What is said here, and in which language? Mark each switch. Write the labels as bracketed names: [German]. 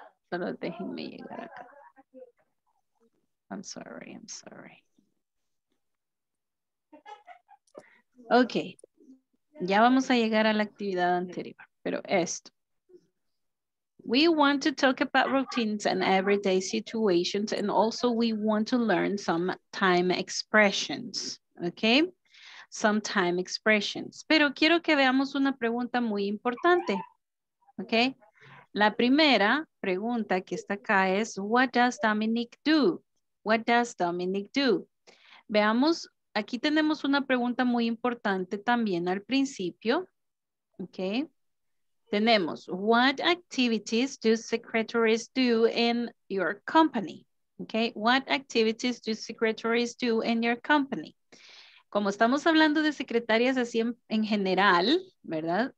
[Spanish] Solo déjenme llegar acá. [English] I'm sorry. [Spanish] Okay, ya vamos a llegar a la actividad anterior, pero esto. [English] We want to talk about routines and everyday situations, and also we want to learn some time expressions, okay? Some time expressions. [Spanish] Pero quiero que veamos una pregunta muy importante, okay? La primera pregunta que está acá es, [English] what does Dominic do? What does Dominic do? [Spanish] Veamos, aquí tenemos una pregunta muy importante también al principio, okay? Tenemos, [English] what activities do secretaries do in your company? Okay, what activities do secretaries do in your company? [Spanish] Como estamos hablando de secretarias así en general, ¿verdad?